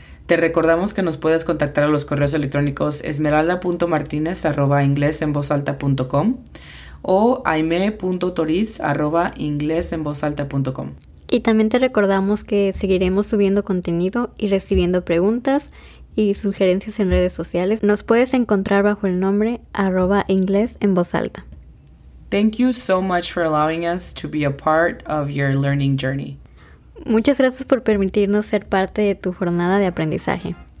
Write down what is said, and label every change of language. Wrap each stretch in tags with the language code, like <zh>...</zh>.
<es>Te recordamos que nos puedes contactar a los correos electrónicos esmeralda.martinez@inglesenvozalta.com o aime.toriz@inglesenvozalta.com. Y también te recordamos que seguiremos subiendo contenido y recibiendo preguntas y sugerencias en redes sociales. Nos puedes encontrar bajo el nombre @inglesenvozalta.</es> <en>Thank you so much for allowing us to be a part of your learning journey.</en> <es>Muchas gracias por permitirnos ser parte de tu jornada de aprendizaje.</es>